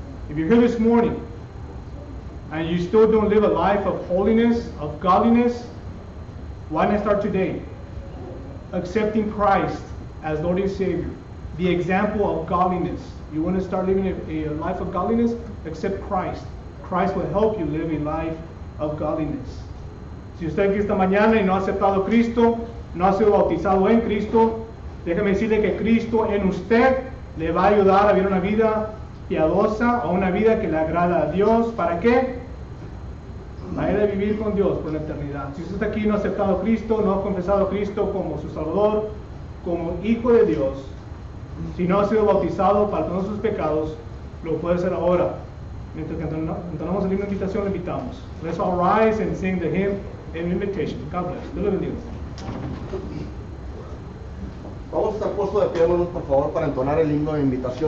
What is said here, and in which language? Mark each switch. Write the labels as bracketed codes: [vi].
[en] If you're here this morning and you still don't live a life of holiness, of godliness, why not start today? Accepting Christ as Lord and Savior, the example of godliness. You want to start living a life of godliness? Accept Christ. Christ will help you live a life of godliness. [es] Si usted aquí esta mañana y no ha aceptado a Cristo, no ha sido bautizado en Cristo, déjeme decirle que Cristo en usted le va a ayudar a vivir una vida piadosa o una vida que le agrada a Dios. ¿Para qué? Para vivir con Dios por la eternidad. Si usted está aquí y no ha aceptado a Cristo, no ha confesado a Cristo como su Salvador, como Hijo de Dios, si no ha sido bautizado para todos sus pecados, lo puede hacer ahora. Mientras que entonamos la invitación, le invitamos. [en] Let's all rise and sing the hymn and invitation. God bless. [es] Dios le bendiga. Vamos a estar puestos de pie, hermanos, por favor, para entonar el himno de invitación.